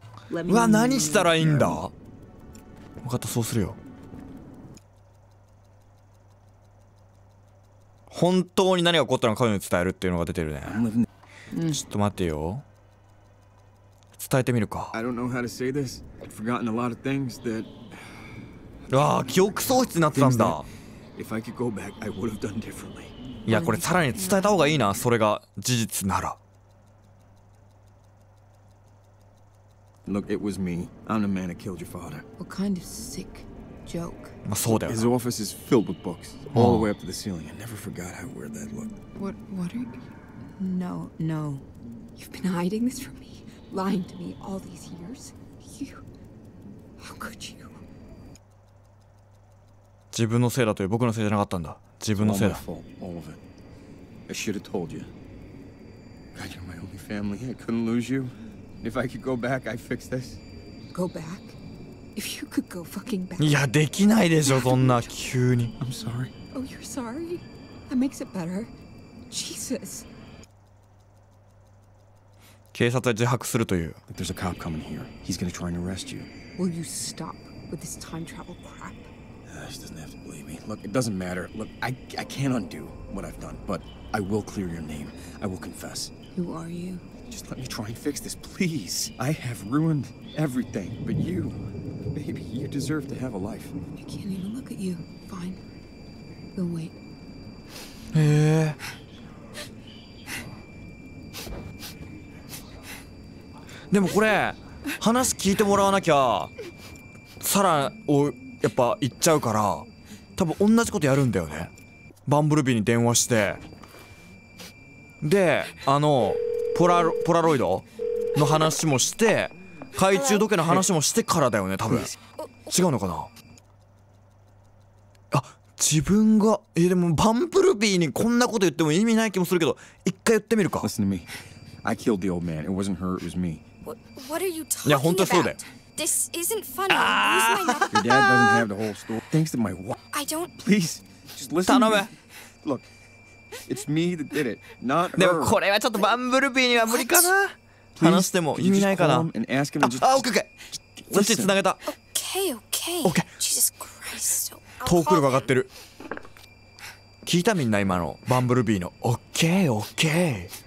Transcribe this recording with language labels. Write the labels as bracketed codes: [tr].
[ja] うわ、何したらいいんだ？分かった、そうするよ。本当に何が起こったのか彼に伝えるっていうのが出てるね。ちょっと待ってよ。伝えてみるか。 [en] I don't know how to say this. I've forgotten a lot of things that. [ja] わあ、記憶喪失になってたんだ。 [en] If I could go back, I would have done differently. [ja] いや、これさらに伝えた方がいいな。それが事実なら。 [en] Look, it was me. I'm the man that killed your father. What kind of sick joke? [ja] まあそうだよ。 [en] His office is filled with books, all the way up to the ceiling. I never forgot how weird that looked. What are you? No, no. You've been hiding this from me. Lying to me all these years? You... How could you? [ja] 自分のせいだという、僕のせいじゃなかったんだ。自分のせいだ。 [en] All of it. I should have told you. God, you're my only family. I couldn't lose you. If I could go back, I'd fix this. Go back? If you could go fucking back. [ja] いや、できないでしょ、そんな急に。 [en] I'm sorry. Oh, you're sorry? That makes it better. Jesus. [ja] 警察は自白するという。 [en] There's a cop coming here. He's gonna try and arrest you. Will you stop with this time travel crap? She doesn't have to believe me. Look, it doesn't matter. Look, I can't undo what I've done, but I will clear your name. I will confess. Who are you? Just let me try and fix this, please. I have ruined everything, but you, baby, you deserve to have a life. I can't even look at you. Fine. We'll wait. [ja] でもこれ話聞いてもらわなきゃサラをやっぱ言っちゃうから多分同じことやるんだよね。バンブルビーに電話してであのポラロイドの話もして懐中時計の話もしてからだよね多分。違うのかな。あ、自分がでもバンブルビーにこんなこと言っても意味ない気もするけど一回言ってみるか。 [en] Listen to me. I killed the old man. It wasn't her, it was me. What are you talking about? This isn't funny. Use my mouth. Your dad doesn't have the whole story. Thanks to my wife. I don't. Please, just listen. To me. Look, it's me that did it, not her. [ja] でもこれはちょっとバンブルビーには無理かな。話しても意味ないかな。あ、オッケーオッケー。そして繋げた。 [en] Okay, okay. Okay. Jesus Christ. [ja] 遠くで上がってる。聞いたみんな今のバンブルビーの [en] Okay, okay.